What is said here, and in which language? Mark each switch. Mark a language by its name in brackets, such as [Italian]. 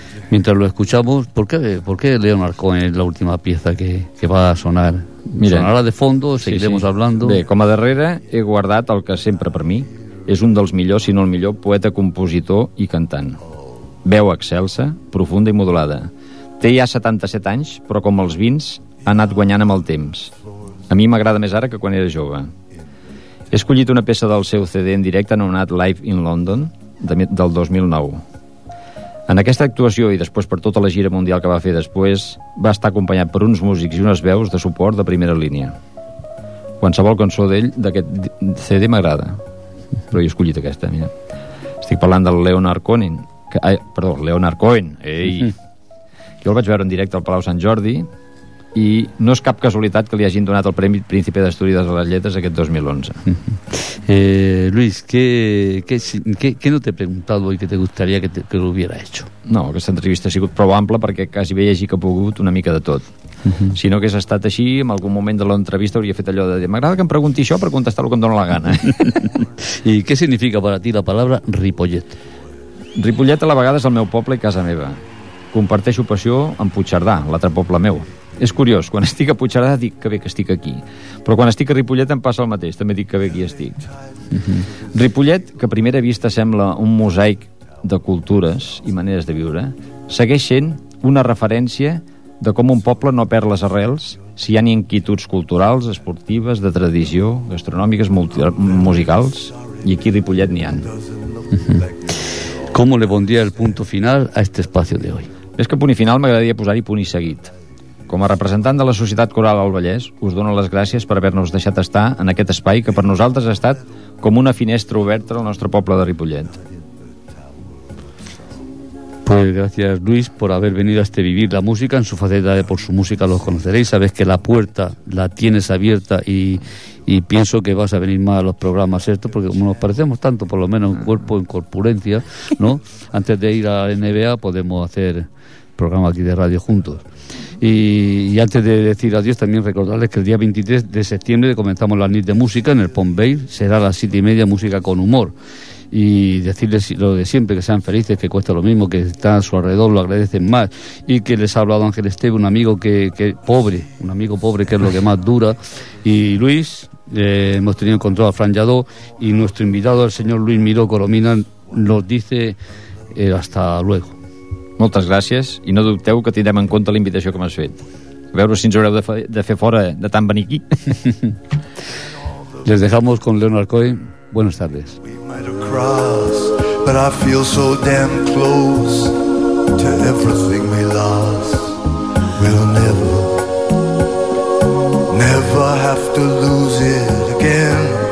[Spanish] Mientras lo escuchamos, ¿por qué Leonard Cohen es la última pieza que va a sonar? Mira, sonarà de fondo, seguiremos hablando. [Catalan] Bé, com a darrere he guardat el que sempre per mi és un dels millors, si no el millor, poeta, compositor i cantant. Veu excelsa, profunda i modulada. Té ja 77 anys, però com els 20 ha anat guanyant amb el temps. A mi m'agrada més ara que quan era jove. He escollit una peça del seu CD en directe anomenat Live in London, del 2009. En aquesta actuació i després per tota la gira mundial que va fer després, va estar acompanyat per uns músics i unes veus de suport de primera línia. Qualsevol cançó d'ell, d'aquest CD, m'agrada. Però he escollit aquesta, mira. Estic parlant del Leonard Cohen. Leonard Cohen, ei! Jo el vaig veure en directe al Palau Sant Jordi i no és cap casualitat que li hagin donat el Premi Príncipe d'Astúries de les Lletres aquest 2011. [Spanish] Luis, ¿qué no te he preguntado hoy que te gustaría que lo hubiera hecho? [Catalan] No, aquesta entrevista ha sigut prou ampla perquè quasi bé llegir que ha pogut una mica de tot. Si no hagués estat així, en algun moment de l'entrevista hauria fet allò de dir, m'agrada que em pregunti això per contestar el que em dóna la gana. [Spanish] ¿Y qué significa para ti la palabra Ripollet? [Catalan] Ripollet a la vegada és el meu poble i casa meva. Comparteixo passió amb Puigcerdà, l'altre poble meu. És curiós, quan estic a Puigcerdà dic que bé que estic aquí, però quan estic a Ripollet em passa el mateix, també dic que bé aquí estic. Ripollet, que a primera vista sembla un mosaic de cultures i maneres de viure, segueix sent una referència de com un poble no perd les arrels si hi ha inquietuds culturals, esportives, de tradició, gastronòmiques, musicals, i aquí a Ripollet n'hi ha. [Spanish] ¿Cómo le pondría el punto final a este espacio de hoy? [Catalan] És que punt i final m'agradaria posar-hi punt i seguit. Com a representant de la Societat Coral del Vallès, us dono les gràcies per haver-nos deixat estar en aquest espai que per nosaltres ha estat com una finestra oberta al nostre poble de Ripollet. [Spanish] Pues gracias, Luis, por haber venido a este Vivir la Música. En su faceta de Por su Música los conoceréis. Sabes que la puerta la tienes abierta y pienso que vas a venir más a los programas estos, porque como nos parecemos tanto, por lo menos en cuerpo, en corpulencia, ¿no? Antes de ir a la NBA podemos hacer programa aquí de radio juntos. Y antes de decir adiós, también recordarles que el día 23 de septiembre comenzamos la NIT de Música en el Pompeu. Será a las 7:30, Música con Humor. Y decirles lo de siempre, que sean felices, que cuesta lo mismo, que están a su alrededor, lo agradecen más. Y que les ha hablado Ángel Esteve, un amigo pobre, que es lo que más dura. Y Luis, hemos tenido en control a Fran Lladó. Y nuestro invitado, el señor Luis Miró Coromina, nos dice hasta luego. [Catalan] Moltes gràcies, i no dubteu que tindrem en compte la invitació que m'has fet. A veure si ens haureu de fer fora de tant venir aquí. [Spanish] Les dejamos con Leonard Cohen. Buenas tardes. [English] We might have crossed, but I feel so damn close to everything we lost. We'll never have to lose it again.